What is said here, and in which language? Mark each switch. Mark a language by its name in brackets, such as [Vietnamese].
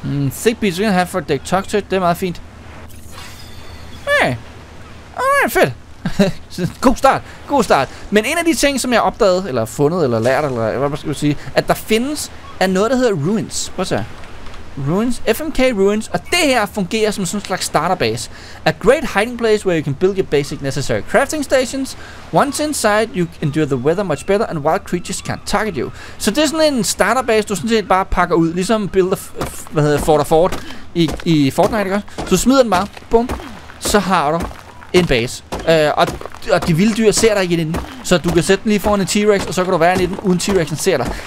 [Danish] Thick beats, vi kan have for at dække toxic, det er meget fint. Okay. Alright, fedt. God start. Men en af de ting, som jeg opdagede, eller fundet, eller lært, eller hvad skal jeg sige, at der findes, er noget, der hedder ruins. Prøv at se. Ruins, FMK Ruins, og det her fungerer som sådan en slags starterbase. [English] A great hiding place where you can build your basic necessary crafting stations. Once inside, you endure the weather much better, and wild creatures can't target you. [Danish] Så det er sådan en starterbase, du sådan set bare pakker ud, ligesom builder, hvad hedder, Fort i Fortnite, ikke? Så smider den bare, bum, så har du en base. Og de vilde dyr ser dig ikke inden, så du kan sætte den lige foran en T-Rex, og så kan du være inde i den, uden T-Rexen ser dig.